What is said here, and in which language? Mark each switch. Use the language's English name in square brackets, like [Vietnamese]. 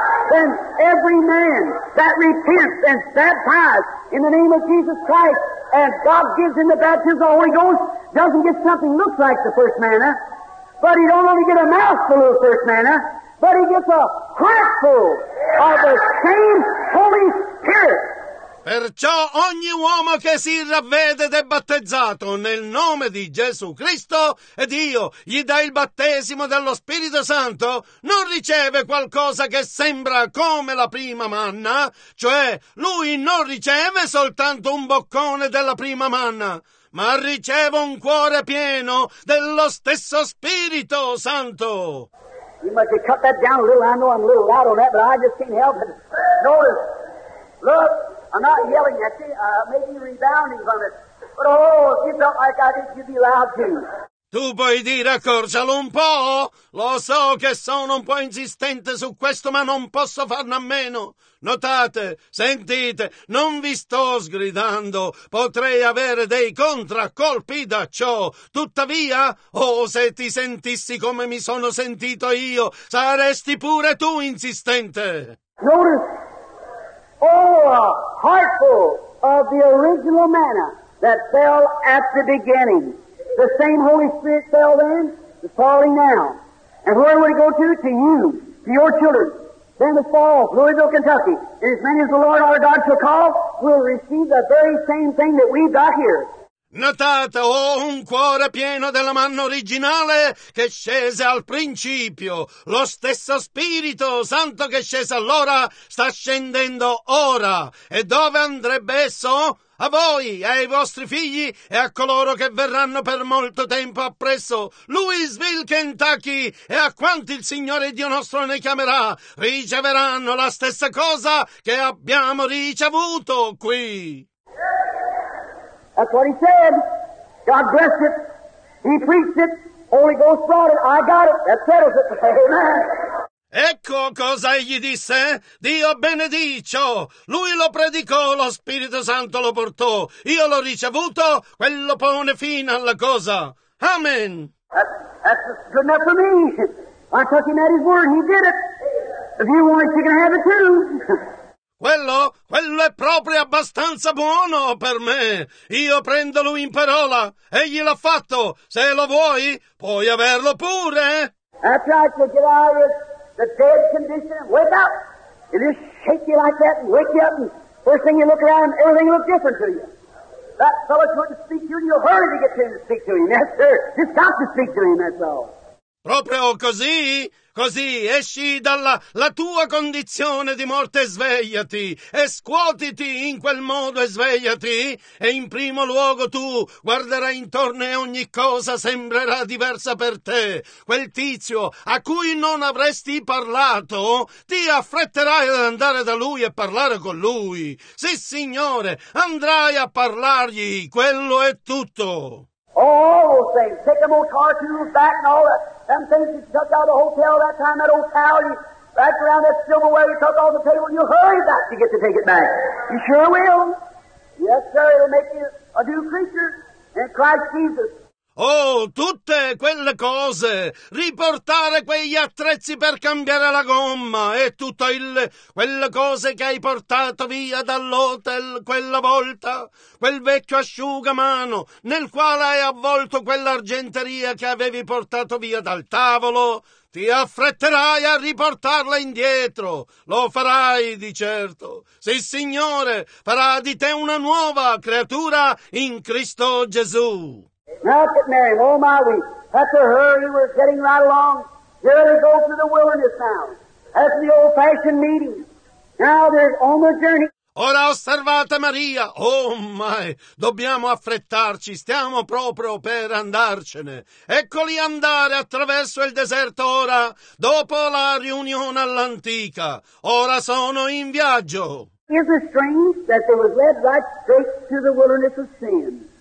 [English] Then every man that repents and baptizes in the name of Jesus Christ, and God gives him the baptism of the Holy Ghost, doesn't get something looks like the first manna, but he don't only get a mouthful of the first manna, but he gets a heartful of the same Holy Spirit. [Italian] Perciò ogni uomo che si ravvede ed è battezzato nel nome di Gesù Cristo e Dio gli dà il battesimo dello Spirito Santo, non riceve qualcosa che sembra come la prima manna, cioè lui non riceve soltanto un boccone della prima manna, ma riceve un cuore pieno dello stesso Spirito Santo. [English] You must have cut that down a little. I know I'm a little loud on that, but I just can't help it. Notice, look. I'm not yelling at you, maybe rebounding from it, but oh, if you felt like I did, you'd be loud too. [Italian] Tu puoi dire accorcialo un po'? Lo so che sono un po' insistente su questo, ma non posso farne a meno. Notate, sentite, non vi sto sgridando. Potrei avere dei contraccolpi da ciò. Tuttavia, oh, se ti sentissi come mi sono sentito io, saresti pure tu insistente. [English] Notice, oh, a heartful of the original manna that fell at the beginning. The same Holy Spirit fell then, is falling down. And where would it go to? To you, to your children. Then the fall, Louisville, Kentucky, and as many as the Lord our God shall call, will receive the very same thing that we've got here. [Italian] Notate, ho un cuore pieno della manna originale che scese al principio. Lo stesso Spirito Santo che scese allora sta scendendo ora. E dove andrebbe esso? A voi, ai vostri figli e a coloro che verranno per molto tempo appresso. Louisville, Kentucky, e a quanti il Signore Dio nostro ne chiamerà, riceveranno la stessa cosa che abbiamo ricevuto qui. [English] That's what he said. God blessed it. He preached it. Holy Ghost brought it. I got it. That settles it. Amen. [Italian] Ecco cosa egli disse. Dio benedicio. Lui lo predicò, lo Spirito Santo lo portò. Io l'ho ricevuto, quello pone fine alla cosa. Amen. [English] That's good enough for me. I took him at his word. He did it. If you want it, you can have it too. [Italian] Quello è proprio abbastanza buono per me. Io prendo lui in parola. Egli l'ha fatto. Se lo vuoi, puoi averlo pure. [English] That's right, you get out of the dead condition and wake up. It just shake you like that and wake you up. And first thing you look around, everything looks different to you. That fellow couldn't speak to you and you hurry to get him to speak to him. Yes, sir. Just got to speak to him, that's all. [Italian] Proprio così? Così esci dalla la tua condizione di morte e svegliati, e scuotiti in quel modo e svegliati, e in primo luogo tu guarderai intorno e ogni cosa sembrerà diversa per te. Quel tizio a cui non avresti parlato, ti affretterai ad andare da lui e parlare con lui. Sì, Signore, andrai a parlargli, quello è tutto. [English] Oh, those things. Take them old car tools back and all that. Them things you took out of the hotel that time, that old towel, you wrapped around that silverware you took off the table, and you hurry back to get to take it back. You sure will. Yes, sir, it'll make you a new creature in Christ Jesus. [Italian] Oh, tutte quelle cose, riportare quegli attrezzi per cambiare la gomma e tutto il quelle cose che hai portato via dall'hotel quella volta, quel vecchio asciugamano nel quale hai avvolto quell'argenteria che avevi portato via dal tavolo, ti affretterai a riportarla indietro, lo farai di certo. Sì, Signore, farà di te una nuova creatura in Cristo Gesù. [English] Now look at Mary. Oh my, we have to hurry. We're getting right along. Here they go through the wilderness now. That's the old-fashioned meeting. Now they're on the journey. [Italian] Ora osservate Maria. Oh my, dobbiamo affrettarci. Stiamo proprio per andarcene. Eccoli andare attraverso il deserto ora, dopo la riunione all'antica. Ora sono in viaggio. [English] Is it strange that they were led right straight to the wilderness of sin?